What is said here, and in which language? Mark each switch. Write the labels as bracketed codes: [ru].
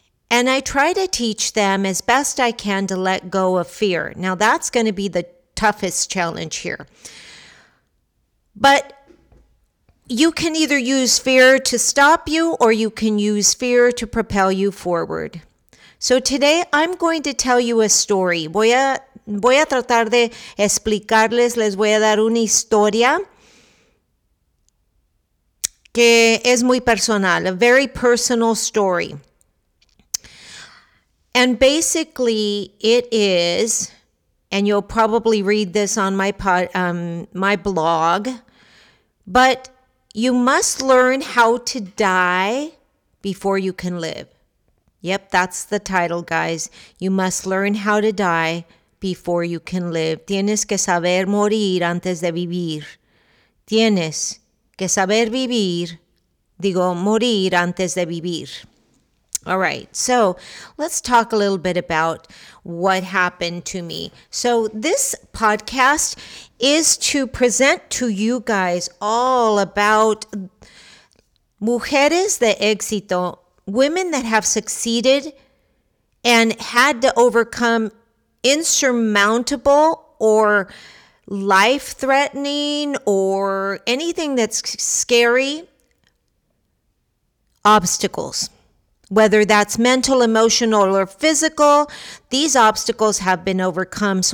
[en] And I try to teach them as best I can to let go of fear. Now, that's going to be the toughest challenge here. But you can either use fear to stop you or you can use fear to propel you forward. So today I'm going to tell you a story. [es] Voy a tratar de explicarles, les voy a dar una historia que es muy personal, [en] a very personal story. And basically it is, and you'll probably read this on my blog, but you must learn how to die before you can live. Yep, that's the title, guys. You must learn how to die before you can live. [es] Tienes que saber morir antes de vivir. Tienes que saber vivir, digo, morir antes de vivir. [en] All right, so let's talk a little bit about what happened to me. So this podcast is to present to you guys all about [es] mujeres de éxito. [en] Women that have succeeded and had to overcome insurmountable or life-threatening or anything that's scary obstacles, whether that's mental, emotional, or physical, these obstacles have been overcome.